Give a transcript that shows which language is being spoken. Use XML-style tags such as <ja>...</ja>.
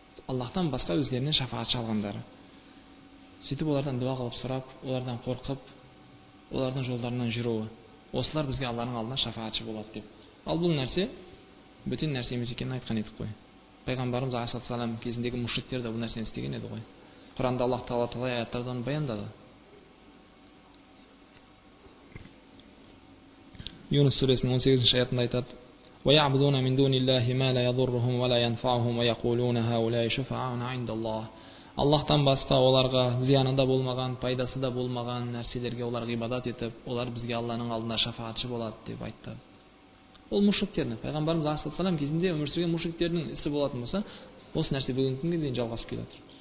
<kk>Аллаһтан басқа өздеріне шафаатшы алғандары. Сөйтіп олардан дұға қылып сұрап, олардан қорқып, олардың жолдарынан жүруі. Осылар бізге Алланың алдында шафаатшы болады деп. Ал бұл нәрсе бүтін нәрсе емес екенін айтқан едік қой. Пайғамбарымыз алейхиссалам кезіндегі мушриктер де бұл нәрсені істеген еді ғой. Құранда Аллаһ тағала талай аяттарда оны баяндады. Юнус сүресінің 18-ші аятында айтады:</kk> <ar>وَيَعْبُدُونَ مِنْ دُونِ اللَّهِ مَا لَا يَضُرُّهُمْ وَلَا يَنْفَعُهُمْ وَيَقُولُونَ هَؤُلَاءِ شُفَعَاؤُنَا عِنْدَ اللَّهِ.</ar> <kk>Аллаһтан басқа оларға зияны да болмаған, пайдасы да болмаған нәрселерге олар ғибадат етіп, олар бізге Алланың алдында шафаатшы болады деп айтты. Ол мушриктердің, пайғамбарымыз алейхиссалам кезінде өмір сүрген мушриктердің ісі болатын болса, осы нәрсе бүгінгі күнге дейін жалғасып келеді.</kk>